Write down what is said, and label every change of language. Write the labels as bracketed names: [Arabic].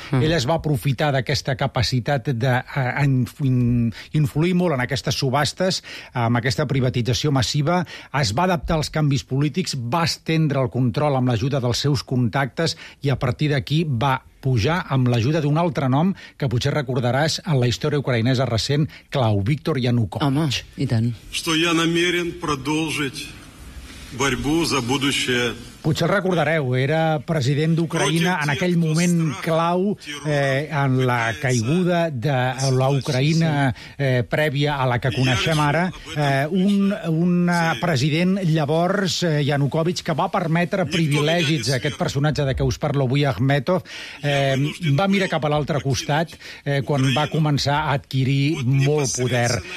[Catalan] Ell es va aprofitar d'aquesta capacitat d'influir molt en aquestes subhastes, amb aquesta privatització massiva, es va adaptar als canvis polítics, va estendre el control amb l'ajuda dels seus contactes i a partir d'aquí va pujar amb l'ajuda d'un altre nom que potser recordaràs en la història ucraïnesa recent, clau, Viktor Yanukovych. Home, i tant. [Russian] Что я намерен продолжить борьбу за будущее. [Catalan] Potser el recordareu, era president d'Ucraïna en aquell moment clau en la caiguda de l'Ucraïna prèvia a la que coneixem ara. Un president llavors, Yanukovych, que va permetre privilegis a aquest personatge de què us parlo avui, Akhmetov, va mirar cap a l'altre costat quan va començar a adquirir molt poder.